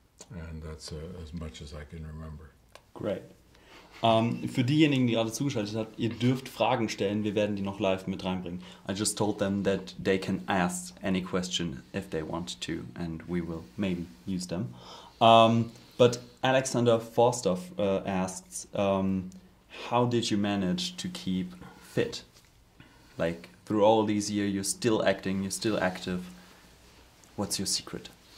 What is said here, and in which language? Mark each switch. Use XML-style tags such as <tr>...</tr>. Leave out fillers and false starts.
<en>And that's as much as I can remember. Great.</en> <de>Für diejenigen, die gerade zugeschaltet haben, ihr dürft Fragen stellen, wir werden die noch live mit reinbringen.</de> <en>I just told them that they can ask any question if they want to, and we will maybe use them. But Alexander Forster asks, how did you manage to keep fit? Like, through all these years, you're still acting, you're still active. What's your secret?</en>